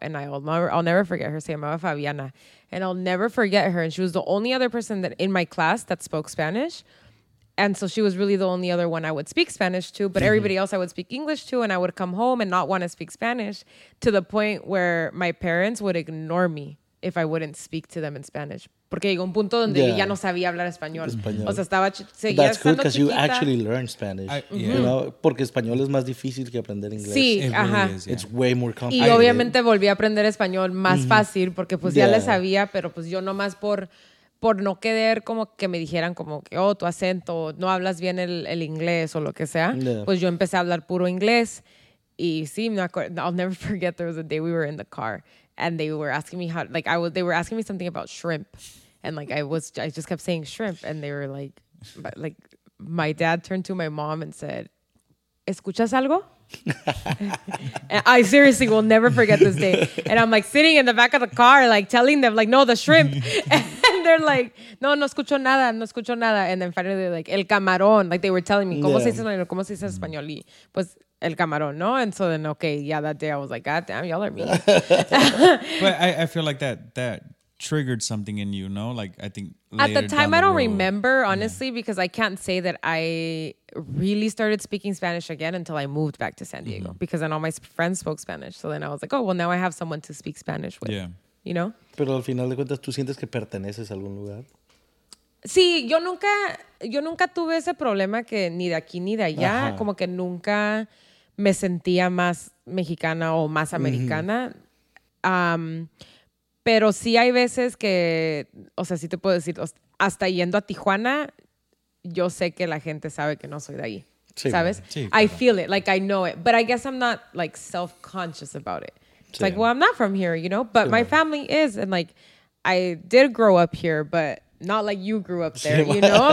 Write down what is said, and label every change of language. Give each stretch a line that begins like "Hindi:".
English: And I'll never forget her.
Spanish: Se llamaba Fabiana.
English: And I'll never forget her. And she was the only other person that in my class that spoke Spanish. And so she was really the only other one I would speak Spanish to. But everybody else I would speak English to. And I would come home and not want to speak Spanish to the point where my parents would ignore me if I wouldn't speak to them in Spanish.
Spanish: Porque llegó un punto donde ya no sabía hablar español. O sea, estaba seguía estando chiquita.
English: That's good because you actually learn Spanish. You know,
Spanish: porque español es más difícil que aprender inglés. Sí,
English: It's way more complicated.
Spanish: Y obviamente volví a aprender español más fácil porque pues ya le sabía, pero pues yo nomás por no querer como que me dijeran como que, oh, tu acento, no hablas bien el inglés o lo que sea, pues yo empecé a hablar puro inglés. Y sí,
English: I'll never forget there was a day we were in the car. And they were asking me something about shrimp. And like, I just kept saying shrimp. And they were like my dad turned to my mom and said,
Spanish: ¿escuchas algo?
English: And I seriously will never forget this day. And I'm like sitting in the back of the car, like telling them like, no, the shrimp. And they're like,
Spanish: no escucho nada.
English: And then finally they're like,
Spanish: el camarón.
English: Like they were telling me,
Spanish: ¿cómo se dice en español? Y pues, el camarón, no?
English: And so then, okay, yeah, that day I was like, God damn, y'all are mean. But I feel like that triggered something in you, no? Like, I think later at the time, I don't remember, honestly, because I can't say that I really started speaking Spanish again until I moved back to San Diego, because then all my friends spoke Spanish. So then I was like, oh, well, now I have someone to speak Spanish with, you know?
Spanish: Pero al final de cuentas, ¿tú sientes que perteneces a algún lugar? Sí, yo nunca tuve ese problema que ni de aquí ni de allá, como que nunca me sentía más mexicana o más americana. Pero sí hay veces que, o sea, sí te puedo decir, hasta yendo a Tijuana, yo sé que la gente sabe que no soy de ahí, sí, ¿sabes? Sí, claro.
English: I feel it, like I know it, but I guess I'm not like self-conscious about it. It's like, well, I'm not from here, you know, but my family is, and like, I did grow up here, but not like you grew up there, you know?